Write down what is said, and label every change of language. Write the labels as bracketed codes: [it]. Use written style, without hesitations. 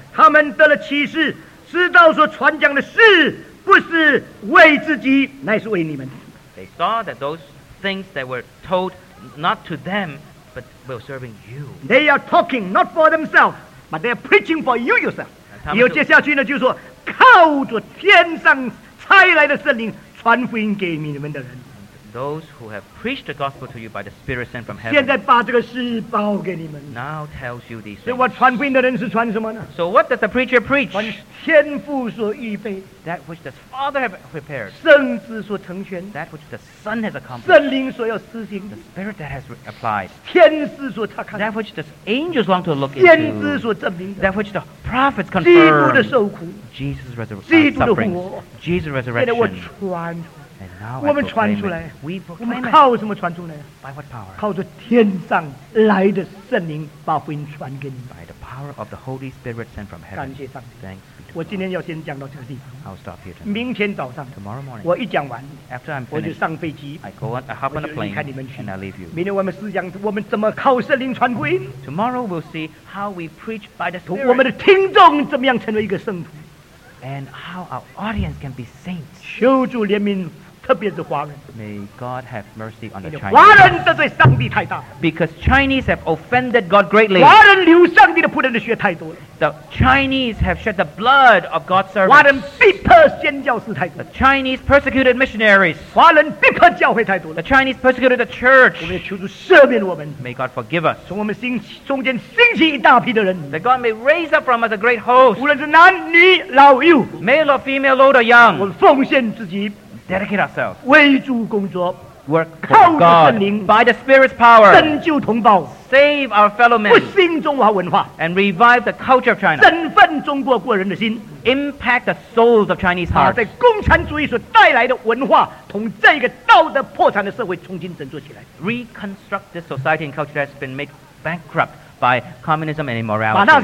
[zh] 他们得了启示, [en] they saw that those things that were told not to them but were serving you. They are talking not for themselves but they are preaching for you yourself. [zh] 有接下去呢，就是说，靠着天上差来的圣灵传福音给你们的人。 [en] Those who have preached the gospel to you by the Spirit sent from heaven. [zh] 现在把这个事报给你们。 [en] Now tells you these things. [zh] 所以我传福音的人是传什么呢？ [en] So what does the preacher preach? [zh] 传天父所预备。 [en] That which the Father has prepared. [zh] 圣子所成全。 [en] That which the Son has accomplished. [zh] 圣灵所要施行。 [en] The Spirit that has applied. [zh] 天使所查看。 [en] That which the angels long to look into. [zh] 先知所证明的。 [en] That which the prophets confirm. [zh] 基督的受苦。 [en] Jesus' resurrection. Jesus' resurrection. [zh] 现在我传。我们传出来，我们靠什么传出来？ [en] By what power? [zh] 靠着天上来的圣灵把福音传给你。 [en] By the power. power of the Holy Spirit sent from heaven. [zh] 感谢上帝. [en] Thanks be to God. [zh] 我今天要先讲到这个地方. [en] I'll stop here tonight. [zh] 明天早上, [en] tomorrow morning, [zh] 我一讲完, [en] after I'm finished, [zh] 我就上飞机, [en] I go on, I hop on a plane, and I leave you. [zh] 明天我们思想, 我们怎么靠圣灵传福音? [en] Tomorrow we'll see how we preach by the Spirit. [zh] 我们的听众怎么样成为一个圣徒? [en] And how our audience can be saints. [zh] 求主怜悯, 特别是华人, [en] may God have mercy on the Chinese. [zh] 华人得罪上帝太大, [en] because Chinese have offended God greatly. [zh] 华人流上帝的仆人的血太多了, [en] the Chinese have shed the blood of God's servants. The Chinese persecuted missionaries. [zh] 华人逼迫教会太多了, [en] the Chinese persecuted the church. [zh] 我们也求助赦免我们, [en] may God forgive us. [zh] 从我们心中间兴起一大批的人, [en] that God may raise up from us a great host. [zh] 无论是男女老幼, [en] male or female, old or young. [zh] 我们奉献自己, [en] dedicate ourselves. [zh] 为主工作, [en] work for God. [zh] 圣灵, [en] by the Spirit's power. [zh] 拯救同胞, [en] save our fellow men. [zh] 复兴中华文化, [en] and revive the culture of China. [zh] 振奋中国国人的心, [en] impact the souls of Chinese hearts. [zh] 把在共产主义所带来的文化同这个道德破产的社会重新振作起来, [en] reconstruct this society and culture that has been made bankrupt by communism and immorality.